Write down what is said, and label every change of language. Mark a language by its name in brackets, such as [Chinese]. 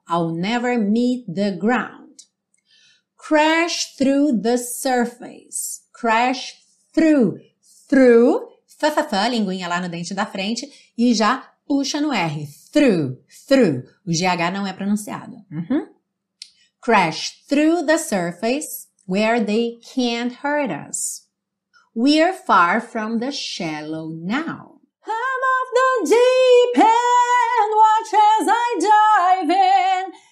[English] I'll never meet the ground. Crash through the surface. Crash through. [Portuguese] Through, fa-fa-fa, linguinha lá no dente da frente, e já puxa no R. Through, through. O GH não é pronunciado. Uhum. [English] Crash through the surface where they can't hurt us. We're far from the shallow now. I'm off the deep end, watch as I dive in.